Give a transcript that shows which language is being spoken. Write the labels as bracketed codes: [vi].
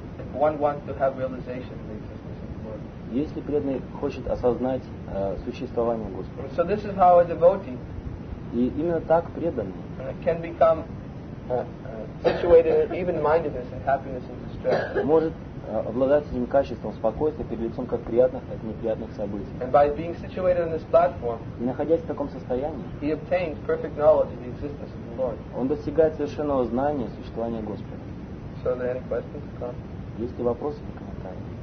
[en] If one wants to have realization of the existence of the Lord. [ru] Если преданный хочет осознать существование Господа. [en] So this is how a devotee. [ru] И именно так преданный [en] can become situated in even-mindedness and happiness and distress. [ru] Может обладать этим качеством спокойствия перед лицом как приятных, так и неприятных событий. [en] And by being situated on this platform, [ru] и находясь в таком состоянии, [en] he obtains perfect knowledge of the existence of the Lord. [ru] Он достигает совершенного знания существования Господа. [en] So are there any questions or comments? [ru] Есть ли вопросы или комментарии?